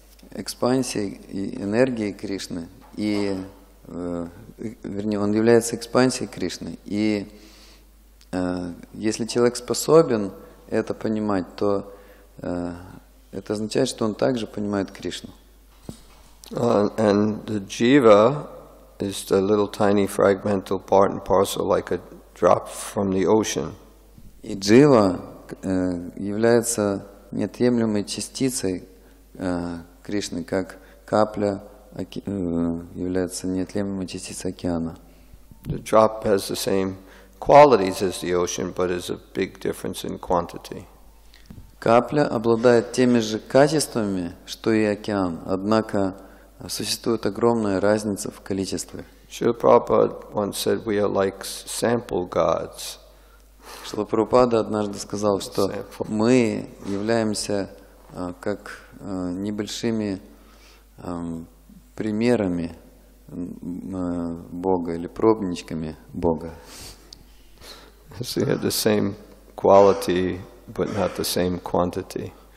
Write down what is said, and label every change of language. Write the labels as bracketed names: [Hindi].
[Russian] экспансией энергии Кришны, и, вернее, он является экспансией Кришны, и если человек способен это понимать, то это означает, что он также понимает Кришну. [English] And the jiva is the little tiny fragmental part and parcel, like a drop from the ocean. [Russian] И джива является неотъемлемой частицей Кришны, как капля является неотъемлемой частицей океана. [English] The drop has the same qualities as the ocean, but is a big difference in quantity. [Russian] Капля обладает теми же качествами, что и океан, однако существует огромная разница в количестве. [English] Шрила Прабхупада once said, we are like sample gods. [Russian] Шрила Прабхупада однажды сказал, что мы являемся как небольшими примерами Бога или пробничками Бога. [English] So you have the same quality, but not the same quantity.